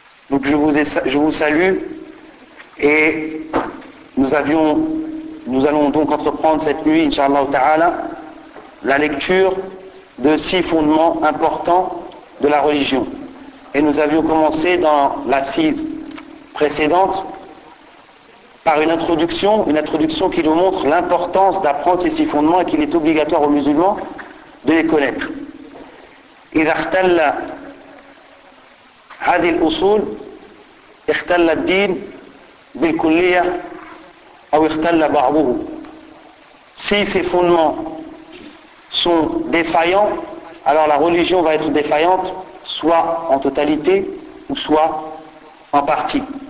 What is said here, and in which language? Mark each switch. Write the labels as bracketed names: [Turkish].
[French] Donc je vous salue et nous allons donc entreprendre cette nuit, inshallah ta'ala, la lecture de six fondements importants de la religion. Et nous avions commencé dans l'assise précédente par une introduction qui nous montre l'importance d'apprendre ces six fondements et qu'il est obligatoire aux musulmans de les connaître. [Arabic] إذا اختل هذه الأصول اختل الدين بالكلية أو اختل بعضه. [French] Si ces fondements sont défaillants, alors la religion va être défaillante, soit en totalité ou soit en partie.